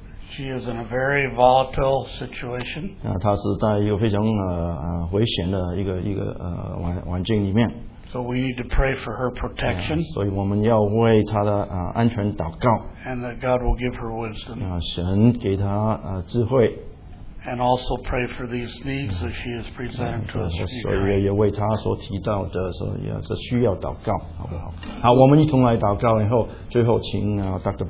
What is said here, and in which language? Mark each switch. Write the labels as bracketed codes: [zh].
[en] She is in a very volatile situation. [zh] 她是在一个非常危险的一个环境里面。 [en] So we need to pray for her protection. [zh] 所以我们要为她的安全祷告。 [en] And that God will give her wisdom. [zh] 神给她智慧。 [en] And also pray for these needs that she has presented to us. [zh] 所以也为她所提到的，所以这需要祷告，好不好？好，我们一同来祷告，然后最后请Dr.